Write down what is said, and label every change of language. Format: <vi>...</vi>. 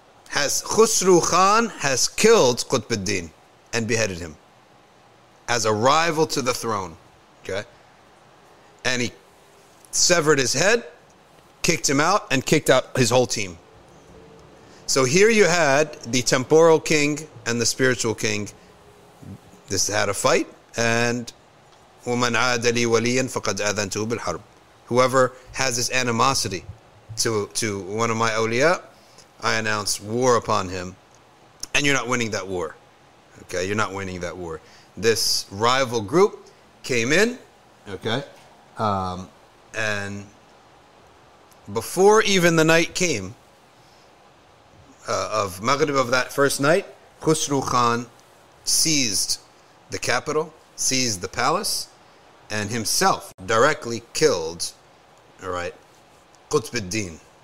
<en>Has Khusru Khan has killed Qutbuddin and beheaded him. As a rival to the throne. Okay. And he severed his head, kicked him out, and kicked out his whole team. So here you had the temporal king and the spiritual king. This had a fight, and</en> <ar>وَمَنْ عَادَ لِي وَلِيًّا فَقَدْ أَذَنْتُهُ بِالْحَرْبِ.</ar> <en>Whoever has this animosity to one of my awliya, I announce war upon him. And you're not winning that war. Okay, you're not winning that war. This rival group came in. Okay. And before even the night came of Maghrib of that first night, Khusru Khan seized the capital, seized the palace, and himself directly killed, all right, Qutbuddin.</en>